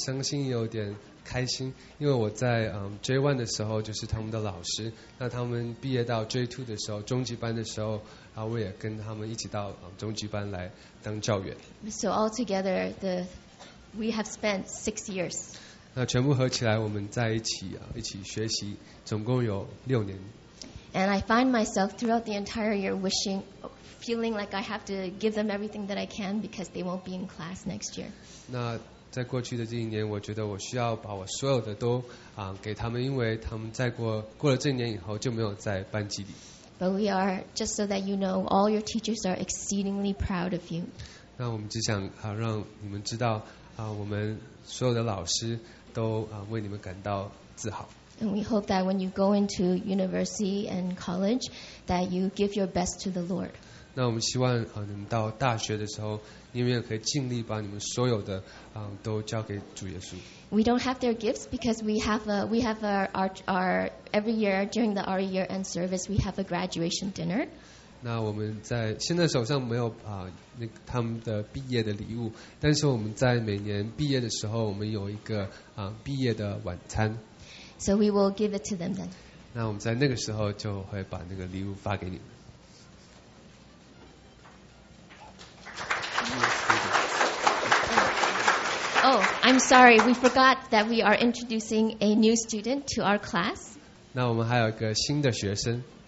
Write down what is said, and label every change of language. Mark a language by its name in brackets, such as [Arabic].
[Chinese] 那这讲到这有点伤心，有点开心， 因为我在 J1的时候就是他们的老师， 那他们毕业到 J2的时候， 中级班的时候， 然后我也跟他们一起到 中级班来当教员。 [English] So altogether, we have spent 6 years. [Chinese] 那全部合起来我们在一起， 一起学习， 总共有6年。 [English] And I find myself throughout the entire year wishing, feeling like I have to give them everything that I can because they won't be in class next year. [Chinese] 那在过去的这一年， 我觉得我需要把我所有的都 给他们， 因为他们再过了这一年以后， 就没有在班级里。 [English] But we are, just so that you know, all your teachers are exceedingly proud of you. [Chinese] 那我们只想, 让你们知道, 我们所有的老师都, 为你们感到自豪。 [English] And we hope that when you go into university and college, that you give your best to the Lord. [Chinese] 那我们希望, 你们到大学的时候, 你们也可以尽力把你们所有的, 都交给主耶稣。 [English] We don't have their gifts because we have our every year during the RE year end service we have a graduation dinner. [Chinese] 那我们在现在手上没有 他们的毕业的礼物， 但是我们在每年毕业的时候， 我们有一个 毕业的晚餐。 [English] So we will give it to them then. [Chinese] 那我们在那个时候就会把那个礼物发给你们。 [English] Oh, I'm sorry. We forgot that we are introducing a new student to our class. [Chinese] 那我们还有一个新的学生。